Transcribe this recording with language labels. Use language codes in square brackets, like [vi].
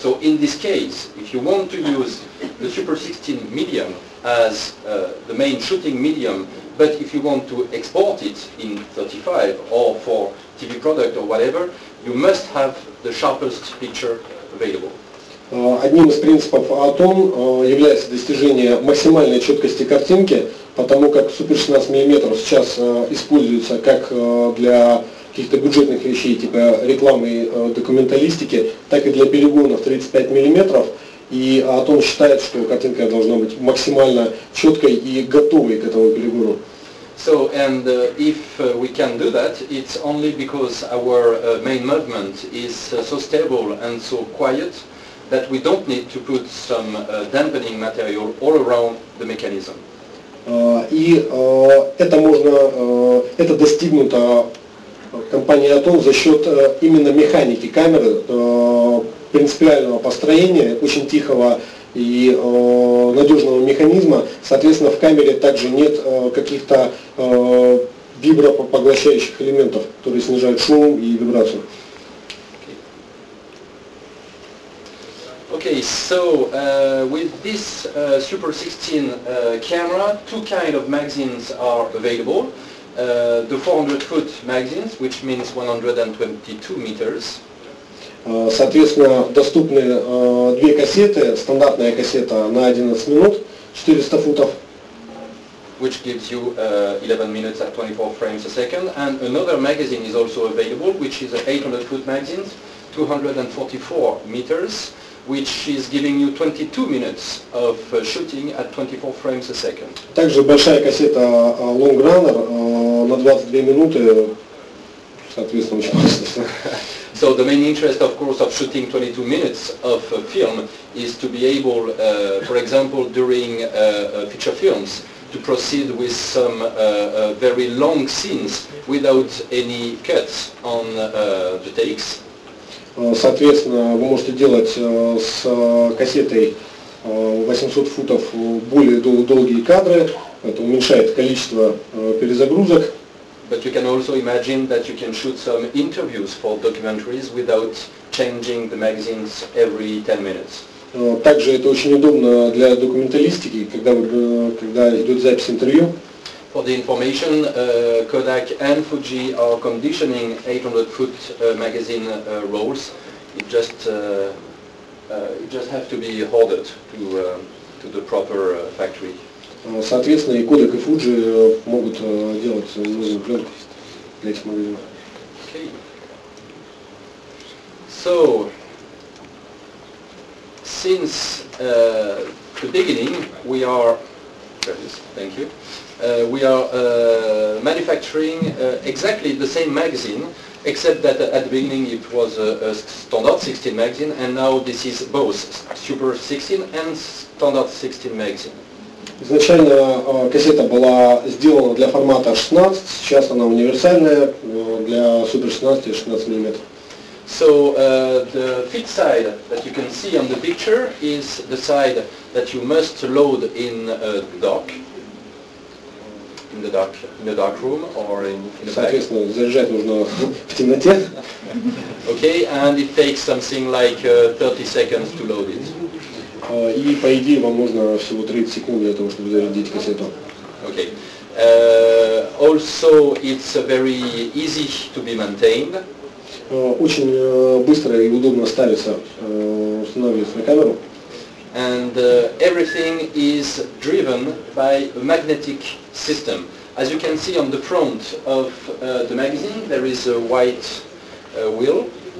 [en] So in this case, if you want to use the Super 16 medium as the main shooting medium, but if you want to export it in 35 or for TV product or whatever, you must have the sharpest picture available. [ru] Одним из принципов Atom является достижение максимальной четкости картинки, потому как Super 16 мм сейчас используется как для каких-то бюджетных вещей, типа рекламы и документалистики, так и для перегонов 35 мм. И Atom считает, что картинка должна быть максимально четкой и готовой к этому перегону. [en] So, and if we can do that, it's only because our main movement is so stable and so quiet that we don't need to put some dampening material all around the mechanism. [ru] И это можно, это достигнуто компанией Atom за счет именно механики камеры, принципиального построения, очень тихого и надежного механизма. Соответственно, в камере также нет каких-то вибропоглощающих элементов, которые снижают шум и вибрацию. [en] Okay, so with this Super 16 camera, two kind of magazines are available. The 400-foot magazines, which means 122 meters. [ru] Соответственно, доступны две кассеты. Стандартная кассета на 11 минут, 400 футов. [en] Which gives you 11 minutes at 24 frames a second. And another magazine is also available, which is an 800-foot magazine, 244 meters, which is giving you 22 minutes of shooting at 24 frames a second. [ru] Также большая кассета Long Runner на 22 минуты, соответственно, очень классно. [en] So the main interest, of course, of shooting 22 minutes of a film is to be able, for example, during feature films, to proceed with some very long scenes without any cuts on the takes. [ru] Соответственно, вы можете делать с кассетой 800 футов более долгие кадры, это уменьшает количество перезагрузок. [en] But you can also imagine that you can shoot some interviews for documentaries without changing the magazines every 10 minutes. [ru] Также это очень удобно для документалистики, когда идет запись интервью. [en] For the information, Kodak and Fuji are conditioning 800-foot magazine rolls. You just have to be ordered to the proper factory. [ru] соответственно, и Kodak, и Fuji могут делать новую пленку для этих магазинов. [en] Okay. So, since the beginning, we are, thank you, we are manufacturing exactly the same magazine, except that at the beginning it was a standard 16 magazine, and now this is both Super 16 and standard 16 magazine. [ru] Изначально кассета была сделана для формата 16, сейчас она универсальная для Super 16 и 16 мм. [en] So the fit side that you can see on the picture is the side that you must load in a dock. In the dark room or in the back. [ru] Соответственно, заряжать нужно в темноте. [en] Okay, and it takes something like 30 seconds to load it. [ru] И по идее вам нужно всего 30 секунд для того, чтобы зарядить кассету. [en] Okay. Also, it's very easy to be maintained. [ru] Очень быстро и удобно ставится, устанавливается на камеру. [en] And everything is driven by a magnetic system. As you can see on the front of the magazine, there is a white wheel.